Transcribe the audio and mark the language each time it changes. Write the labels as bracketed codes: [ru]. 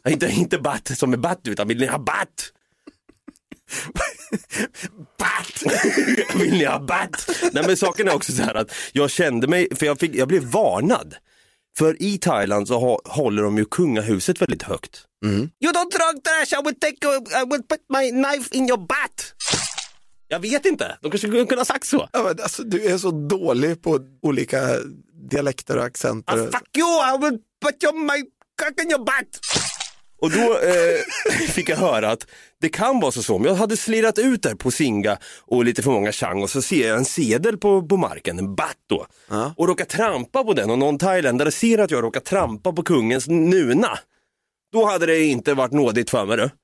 [sv] Inte batt som är batt utan vill ni ha batt? Batt! Vill ni ha batt? Nej men saken är också så här att jag kände mig, för jag blev varnad. För i Thailand så håller de ju kungahuset väldigt högt. Mm. [en] You don't drug trash, I will put my knife in your butt. [sv] Jag vet inte, de kanske kunde ha sagt så. Ja, men alltså, du är så dålig på olika dialekter och accenter. [en] Ah, fuck you, I will put your my cock in your butt. [sv] Och då fick jag höra att det kan vara så, men jag hade slirat ut där på Singa och lite för många Chang och så ser jag en sedel på marken, en bat då. Ja. Och råkar trampa på den och någon thailändare ser att jag råkar trampa på kungens nuna. Då hade det inte varit nådigt för mig.